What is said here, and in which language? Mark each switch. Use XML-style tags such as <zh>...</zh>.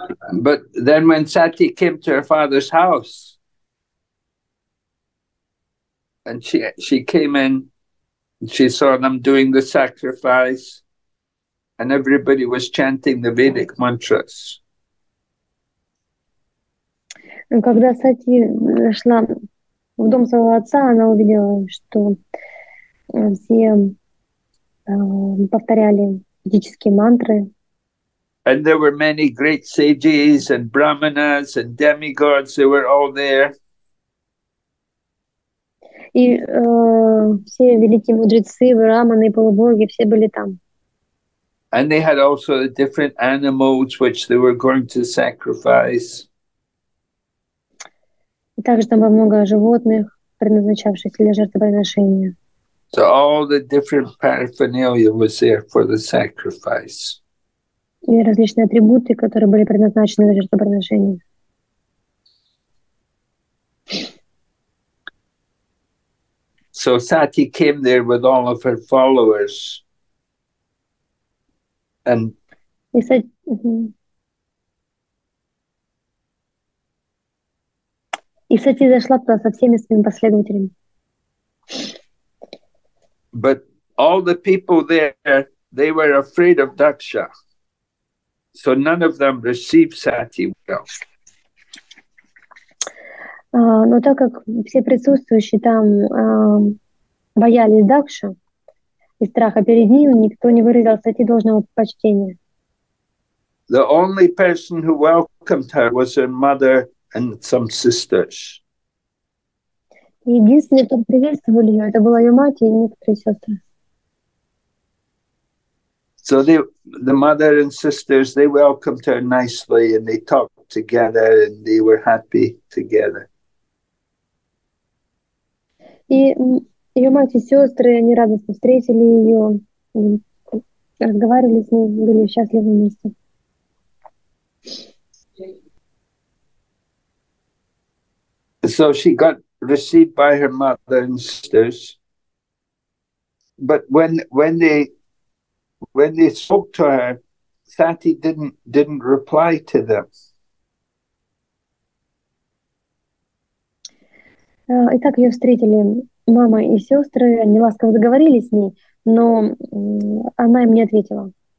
<en>But then when Sati came to her father's house, and she came in, she saw them doing the sacrifice, and everybody was chanting the Vedic mantras.</en> <ru>Когда Сати шла в дом своего отца, она увидела, что все повторяли ведические мантры.</ru> <en>And there were many great sages and brahmanas and demigods. They were all there.</en> <ru>И все великие мудрецы, браманы, полубоги, все были там.</ru> <en>And they had also the different animals which they were going to sacrifice.</en> <ru>И также там было много животных, предназначавшихся для жертвоприношения.</ru> <en>So all the different paraphernalia was there for the sacrifice.</en> <ru>И различные атрибуты, которые были предназначены для жертвоприношения.</ru> <en>So Sati came there with all of her followers. And</en> <ru>И Сати... И Сати зашла туда со всеми своими последователями.</ru> <en>But all the people there, they were afraid of Daksha. So none of them received Sati well.</en> <ru>Но так как все присутствующие там боялись Дакши и страха перед ним, никто не выразил Сати должного почтения.</ru> <en>The only person who welcomed her was her mother and some sisters.</en> <ru>Единственное, кто приветствовал ее, это была ее мать и некоторые сестры.</ru> <en>So the mother and sisters, they welcomed her nicely and they talked together and they were happy together.</en> <ru>И ее мать и сестры, они радостно встретили ее, разговаривали с ней, были счастливы вместе.</ru> <en>So she got received by her mother and sisters. But when they spoke to her, Sati didn't reply to them.</en> <ru>Итак, ее встретили мама и сестры, они ласково заговорили с ней, но она им не ответила.</ru>